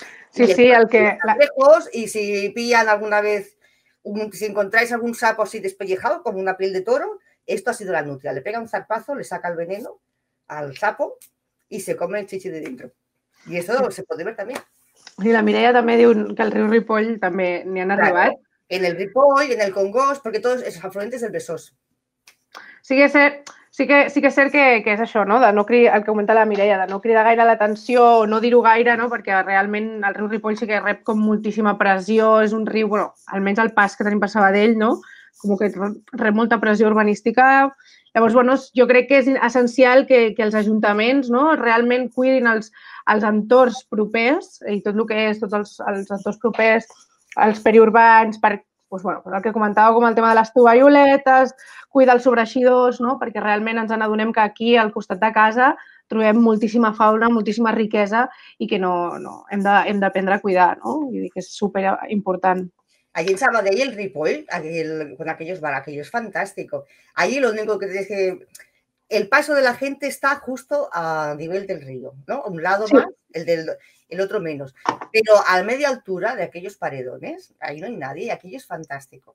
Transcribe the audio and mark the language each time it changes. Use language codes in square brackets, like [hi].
[es] Sí, sí, el que... Lejos, y si pillan alguna vez, si encontráis algún sapo así despellejado, como una piel de toro, esto ha sido la nutria. Le pega un zarpazo, le saca el veneno al sapo y se come el chichi de dentro. Y eso se puede ver también. [ca] Sí, la Mireia també diu que al riu Ripoll també n'hi han arribat. [es] Claro, en el Ripoll, en el Congost, porque todos esos afluentes del Besòs. [ca] Sí que és cert que és això, no? De no cridar, el que comenta la Mireia, de no cridar gaire l'atenció o no dir-ho gaire, no? Perquè realment el riu Ripoll sí que rep com moltíssima pressió, és un riu, bueno, almenys el pas que tenim per Sabadell, no? Com que rep molta pressió urbanística. Llavors, bueno, jo crec que és essencial que els ajuntaments, no, realment cuidin els entorns propers i tot el que és, tots els entorns propers, els periurbans, per, doncs, bueno, el que comentava com el tema de les tovalloletes, cuidar els sobreixidors, no, perquè realment ens adonem que aquí, al costat de casa, trobem moltíssima fauna, moltíssima riquesa i que no hem d'aprendre a cuidar, no? Vull dir que és superimportant. [es] Allí en Sabadell, el Ripoll, con aquellos barraquillos, es fantástico. Allí lo único que tienes que... El paso de la gente está justo a nivel del río, ¿no? Un lado sí, más, el otro menos. Pero a media altura de aquellos paredones, ahí no hay nadie, y aquello es fantástico.